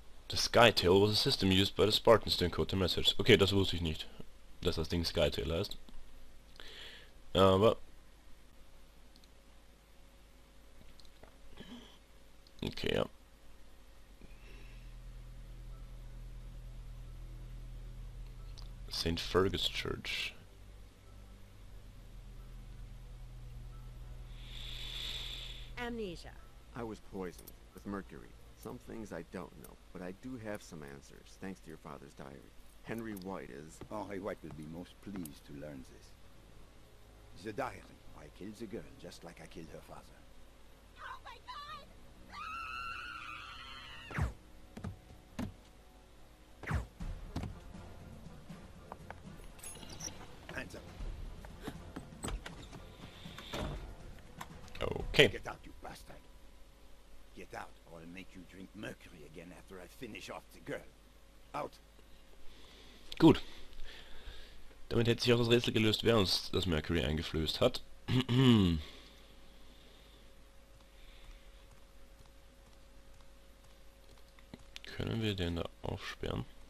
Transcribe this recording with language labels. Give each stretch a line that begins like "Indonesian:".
English: The Skytail was a system used by the Spartans to encode the message.
German: Okay, das wusste ich nicht, dass das Ding Skytail heißt. Aber okay, ja.
English: St. Fergus Church. Amnesia. I was poisoned with mercury. Some things I don't know, but I do have some answers, thanks to your father's diary. Henry White is... Henry White will be most pleased to learn this. The diary. I killed the girl just like I killed her father. Oh my god! Okay. Get out, you bastard. Get out, or I'll make you drink mercury again after I finish off the girl. Out.
German: Gut. Damit hätte sich auch das Rätsel gelöst, wer uns das Mercury eingeflößt hat. Können wir den da aufsperren?